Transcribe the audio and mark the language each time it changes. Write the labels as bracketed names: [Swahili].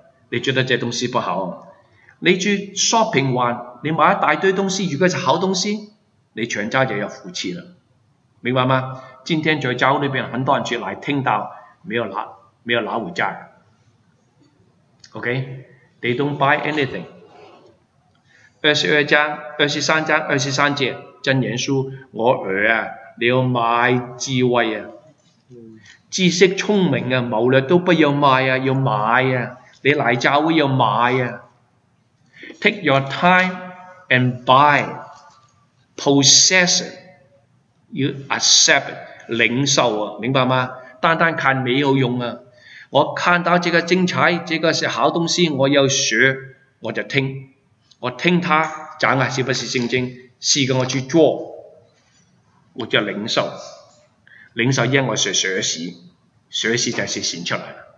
[Chinese] 你觉得这东西不好？你去 shopping 完，你买一大堆东西，如果是好东西，你全家就有福气了。明白吗？今天在教会那边很多人去来听到，没有拿回家。 [English] OK， they don't buy anything。 [Chinese] 二十三节，箴言书，我儿啊，你要买智慧啊，知识聪明啊，谋略都不要卖啊，要买啊，你来教会要买啊。 [English] Take your time and buy, possess it. [Chinese] 要 accept 领受啊，明白吗？单单看没有用啊！我看到这个精彩，这个是好东西，我要学，我就听，我听他讲啊，是不是圣经？是的，我去做，我就领受，领受因我是学习，学习就是显出来了。